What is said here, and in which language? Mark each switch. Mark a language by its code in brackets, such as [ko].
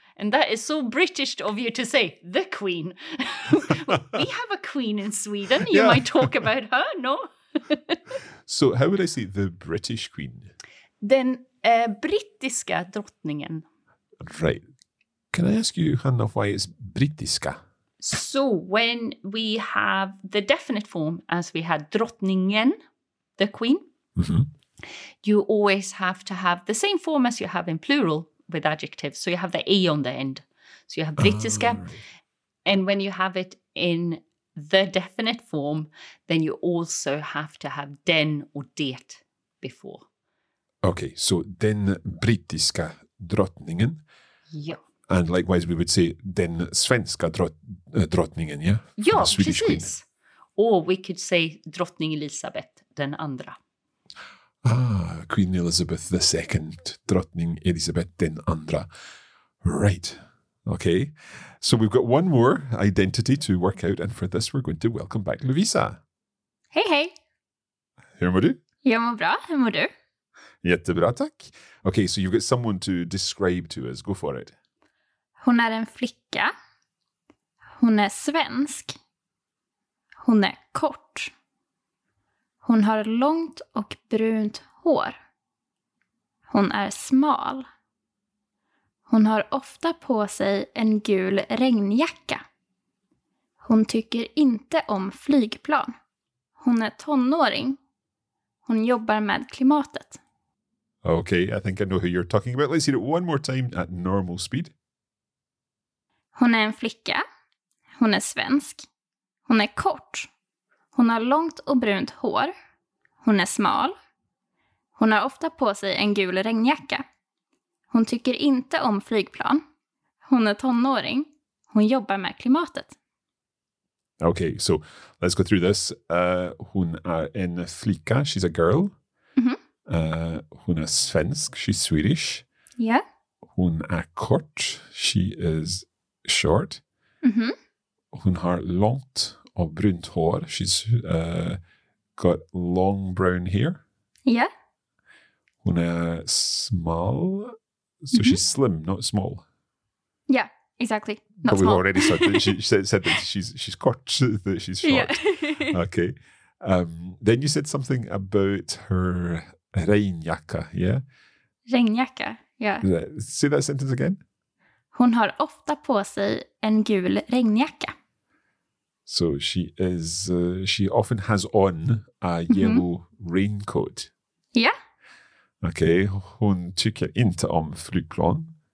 [en] And that is so British of you to say, the queen. We have a queen in Sweden. You might talk about her, no? So, how would I say the British queen? [sv] Den brittiska drottningen. [en] Right. Can I ask you, Hanna, why it's brittiska? So, when we have the definite form, as we had drottningen, the queen, you always have to have the same form as you have in plural with adjectives. So, you have the E on the end. So, you have brittiska. And when you have it in the definite form, then you also have to have den or det before. Okay. So, [sv] den brittiska drottningen. [en] Yeah. And likewise, we would say [sv] den svenska drottningen, [en] yeah? Yeah, [sv] precis. [en] Queen. Or we could say [sv] drottning Elisabeth, den andra. [en] Ah, Queen Elizabeth II, [sv] drottning Elisabeth den andra. [en] Right. Okay. So we've got one more identity to work out, and for this we're going to welcome back Lovisa. Hey, hey. [sv] Hur mår du? Jag mår bra, hur mår du? Jättebra, tack. [en] Okay, so you've got someone to describe to us. Go for it. [sv] Hon är en flicka. Hon är svensk. Hon är kort. Hon har långt och brunt hår. Hon är smal. Hon har ofta på sig en gul regnjacka. Hon tycker inte om flygplan. Hon är tonåring. Hon jobbar med klimatet. [en] Okay, I think I know who you're talking about. Let's hear it one more time at normal speed. [sv] Hon är en flicka. Hon är svensk. Hon är kort. Hon har långt och brunt hår. Hon är smal. Hon har ofta på sig en gul regnjacka. Hon tycker inte om flygplan. Hon är tonåring. Hon jobbar med klimatet. Okay, so let's go through this. Hon är en flicka. [en] She's a girl. [sv] Hon är svensk. [en] She's Swedish. Yeah. [sv] Hon är kort. [en] She is short. [sv] Hon har långt och brunt hår. [en] She's got long brown hair. Yeah. [sv] Hon är smal. [en] So she's slim, not small. Yeah. Exactly. Not but we've small. Already said that, she said that she's kort, that she's short. Yeah. Okay. Then you said something about her regnjacka, yeah? Regnjacka, yeah. Say that sentence again. [sv] Hon har ofta på sig en gul regnjacka. [en] So she often has on a yellow raincoat. Yeah. Okay. [sv] Hon tycker inte om flygplan.